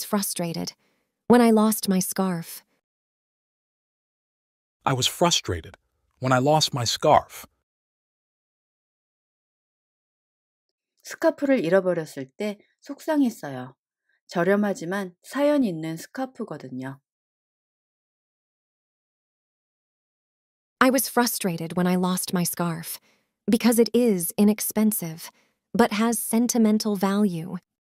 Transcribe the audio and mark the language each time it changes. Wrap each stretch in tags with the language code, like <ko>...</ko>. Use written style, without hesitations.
<en>I was frustrated when I lost my scarf. I was frustrated when I lost my scarf.</en> <ko>스카프를 잃어버렸을 때 속상했어요. 저렴하지만 사연 있는 스카프거든요.</ko> <en>I was frustrated when I lost my scarf because it is inexpensive but has sentimental value.</en>